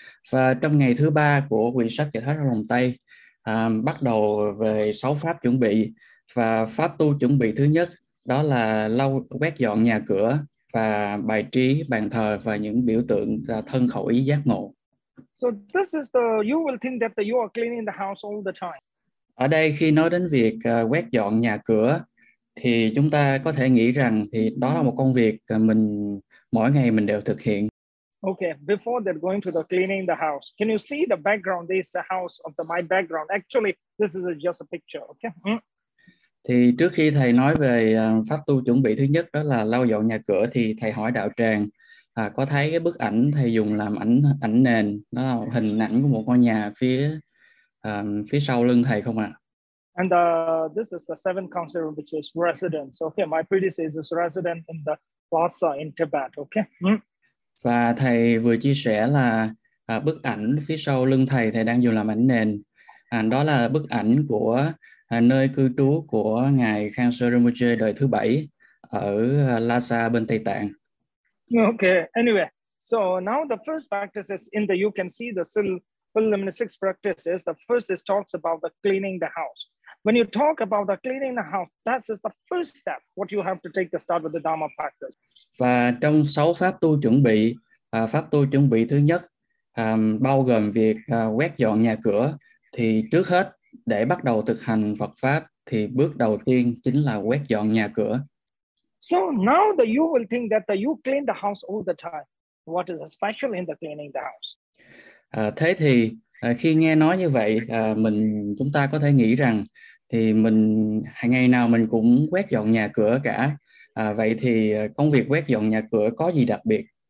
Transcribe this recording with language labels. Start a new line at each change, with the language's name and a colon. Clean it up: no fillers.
Vietnamese: Và trong ngày thứ ba của quyển sách Giải Thoát Ra Lòng Tay bắt đầu về sáu pháp chuẩn bị, và pháp tu chuẩn bị thứ nhất đó là lau quét dọn nhà cửa và bày trí bàn thờ và những biểu tượng thân khẩu ý giác ngộ.
English: So this is the you will think that you are cleaning the house all the time.
Vietnamese: Ở đây khi nói đến việc quét dọn nhà cửa thì chúng ta có thể nghĩ rằng thì đó là một công việc mình mỗi ngày mình đều thực hiện.
English: Okay, before that going to the cleaning the house. Can you see the background? This is the house of the my background. Actually, this is just a picture, okay?
Vietnamese: Thì trước khi thầy nói về pháp tu chuẩn bị thứ nhất đó là lau dọn nhà cửa, thì thầy hỏi đạo tràng có thấy cái bức ảnh thầy dùng làm ảnh ảnh nền, đó là hình ảnh của một ngôi nhà phía phía sau lưng thầy không ạ? À?
English: And this is the seventh council, which is residence. Okay, my predecessor is resident in the Lhasa in Tibet. Okay.
Vietnamese: Và thầy vừa chia sẻ là bức ảnh phía sau lưng thầy thầy đang dùng làm ảnh nền, đó là bức ảnh của nơi cư trú của ngài Khansar Rinpoche đời thứ bảy ở Lhasa bên Tây Tạng.
English: Okay. Anyway, so now the first practice is in the you can see the silk. Preliminary six practices. The first is talks about the cleaning the house. When you talk about the cleaning the house, that is the first step. What you have to take the start with the Dharma practice.
Vietnamese: Và trong sáu pháp tu chuẩn bị thứ nhất bao gồm việc quét dọn nhà cửa, thì trước hết để bắt đầu thực hành Phật pháp thì bước đầu tiên chính là quét dọn nhà cửa.
English: So now that you will think that you clean the house all the time, what is special in the cleaning the house?
Vietnamese: Thế thì khi nghe nói như vậy chúng ta có thể nghĩ rằng thì mình ngày nào mình cũng quét dọn nhà cửa cả. Vậy thì công việc quét dọn nhà cửa có gì đặc biệt?